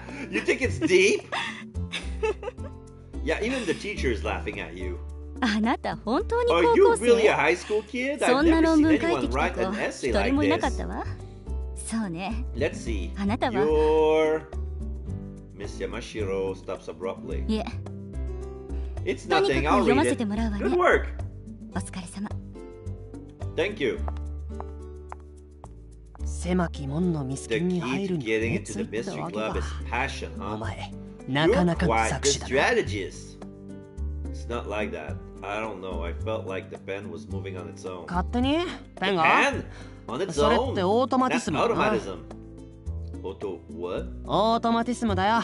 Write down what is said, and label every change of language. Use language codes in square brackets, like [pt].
[en] You think it's deep? Yeah, even the teacher is laughing at you. [ja] あなた本当に高校生？ [en] Are you really a high school kid? [ja] そんな論文書いてきた子、一人もいなかったわ。そうね。 [en] Let's see. [ja] あなたは？ [en] Your Miss Yamashiro stops abruptly. Yeah. It's nothing. I'll read it. Good work. [ja] お疲れ様。 [en] Thank you. [ja] 狭き門のミスキンに入るのについ to わけだ。お前なかなかの策士だな。 [en] It's not like that. I don't know. I felt like the pen was moving on its own. [ja] 勝手に? [en] Pen? On its own? [ja] それってオートマティスム。 [en] That's automatism. Auto what? [ja] オートマティスムだよ。